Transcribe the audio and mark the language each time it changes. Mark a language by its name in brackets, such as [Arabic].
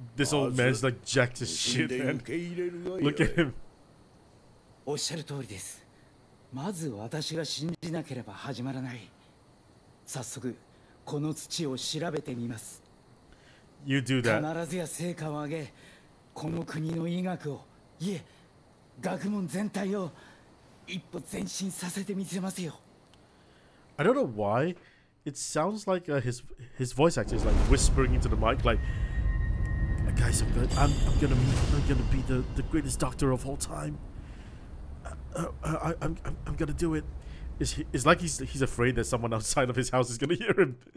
[English] this old man's like jacked as shit, man. Look at him. [Japanese] おっしゃる通りです。まず私が信じなければ始まらない。早速この土を調べてみます。 [English] You do that. [Japanese] 必ずや成果を上げ、この国の医学を、いえ、学問全体を一歩前進させてみせますよ。 [English] I don't know why. It sounds like his voice actor is like whispering into the mic, like, "Guys, I'm gonna be the greatest doctor of all time. I'm gonna do it." It's like he's afraid that someone outside of his house is gonna hear him.